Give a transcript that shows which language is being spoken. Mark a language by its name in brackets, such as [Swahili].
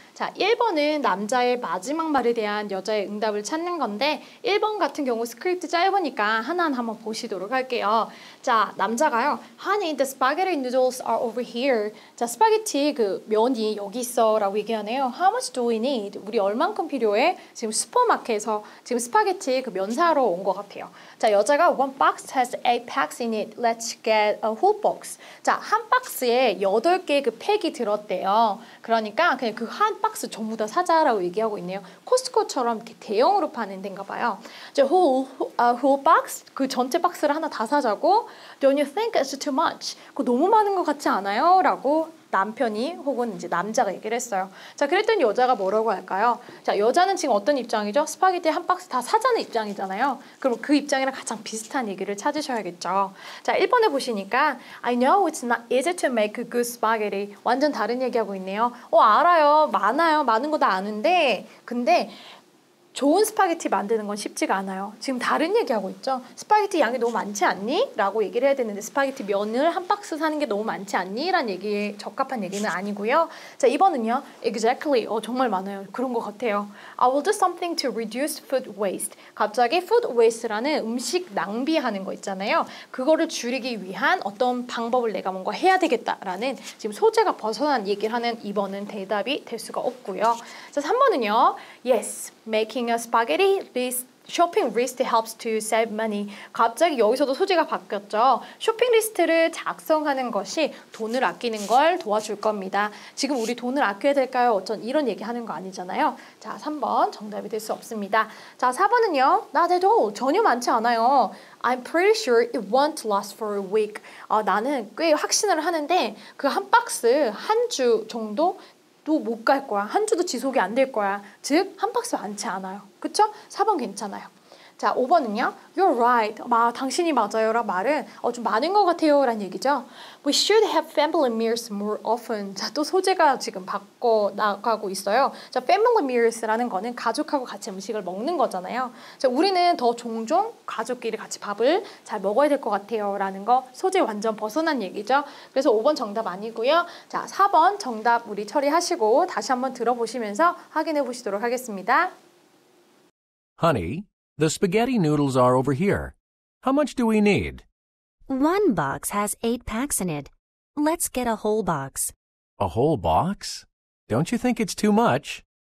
[Korean] 자, 1번은 남자의 마지막 말에 대한 여자의 응답을 찾는 건데 1번 같은 경우 스크립트 짧으니까 하나하나 한번 보시도록 할게요. 자, 남자가요. [English] Honey, the spaghetti noodles are over here. [Korean] 자, 스파게티 그 면이 여기 있어 라고 얘기하네요. [English] How much do we need? [Korean] 우리 얼만큼 필요해? 지금 슈퍼마켓에서 지금 스파게티 그 면 사러 온 것 같아요. 자, 여자가 [English] One box has 8 packs in it. Let's get a whole box. [Korean] 자, 한 박스에 8개 그 팩이 들었대요. 그러니까 그냥 그 한 박스 전부 다 사자라고 얘기하고 있네요. 코스트코처럼 이렇게 대형으로 파는 데인가 봐요. 이제 [English] whole box [Korean] 그 전체 박스를 하나 다 사자고. [English] Don't you think it's too much? [Korean] 그 너무 많은 것 같지 않아요?라고 남편이 혹은 이제 남자가 얘기를 했어요. 자, 그랬더니 여자가 뭐라고 할까요? 자, 여자는 지금 어떤 입장이죠? 스파게티 한 박스 다 사자는 입장이잖아요. 그럼 그 입장이랑 가장 비슷한 얘기를 찾으셔야겠죠. 자, 1번에 보시니까 [English] I know it's not easy to make a good spaghetti. [Korean] 완전 다른 얘기하고 있네요. 알아요. 많아요. 많은 거 다 아는데 근데 좋은 스파게티 만드는 건 쉽지가 않아요. 지금 다른 얘기하고 있죠? 스파게티 양이 너무 많지 않니? 라고 얘기를 해야 되는데 스파게티 면을 한 박스 사는 게 너무 많지 않니? 라는 얘기에 적합한 얘기는 아니고요. 자, 2번은요. Exactly. 정말 많아요. 그런 것 같아요. [English] I will do something to reduce food waste. [Korean] 갑자기 food waste라는 음식 낭비하는 거 있잖아요. 그거를 줄이기 위한 어떤 방법을 내가 뭔가 해야 되겠다라는 지금 소재가 벗어난 얘기를 하는 2번은 대답이 될 수가 없고요. 자, 3번은요. Yes. [English] Making a spaghetti list, shopping list helps to save money. [Korean] 갑자기 여기서도 소재가 바뀌었죠. 쇼핑 리스트를 작성하는 것이 돈을 아끼는 걸 도와줄 겁니다. 지금 우리 돈을 아껴야 될까요? 어쩐 이런 얘기 하는 거 아니잖아요. 자, 3번 정답이 될 수 없습니다. 자, 4번은요. [English] Not at all. [Korean] 전혀 많지 않아요. [English] I'm pretty sure it won't last for a week. [Korean] 나는 꽤 확신을 하는데 그 한 박스 한 주 정도 또 못 갈 거야. 한 주도 지속이 안 될 거야. 즉, 한 박스 많지 않아요. 그쵸? 4번 괜찮아요. 자, 5번은요. [English] You're right. [Korean] 당신이 맞아요. 라는 말은 좀 많은 것 같아요. 라는 얘기죠. [English] We should have family meals more often. [Korean] 자, 또 소재가 지금 바꿔나가고 있어요. 자, family meals라는 거는 가족하고 같이 음식을 먹는 거잖아요. 자, 우리는 더 종종 가족끼리 같이 밥을 잘 먹어야 될 것 같아요. 라는 거 소재 완전 벗어난 얘기죠. 그래서 5번 정답 아니고요. 자, 4번 정답 우리 처리하시고 다시 한번 들어보시면서 확인해 보시도록 하겠습니다. [English] Honey, the spaghetti noodles are over here. How much do we need? One box has 8 packs in it. Let's get a whole box. A whole box? Don't you think it's too much?